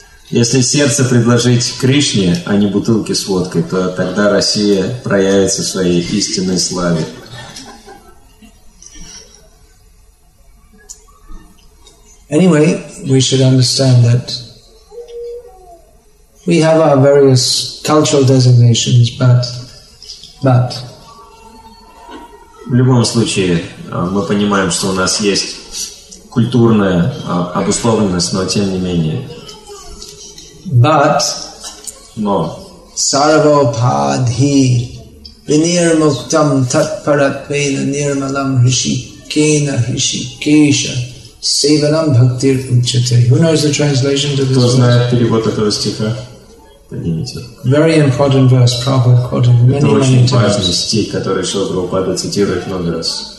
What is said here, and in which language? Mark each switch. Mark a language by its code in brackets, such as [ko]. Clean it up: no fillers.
[ru] Если сердце предложить Кришне, а не бутылки с водкой, то тогда Россия проявится в своей истинной славе. [en] Anyway, we should understand that we have our various cultural designations, but [ru] в любом случае, мы понимаем, что у нас есть культурная обусловленность, но тем не менее. [en] But, [ru] но [sa] Sarvopadhi Vinirmuktam Tatparatvena Nirmalam Hrishikena Hrishikesha Sevanam Bhaktir Uchate. [en] Who knows the translation to this? [ru] Кто знает перевод этого стиха? поднимите. [en] Very important verse, Prabhupada quoted many, [ru] это очень важный стих, который Шрила Прабхупада цитирует много раз.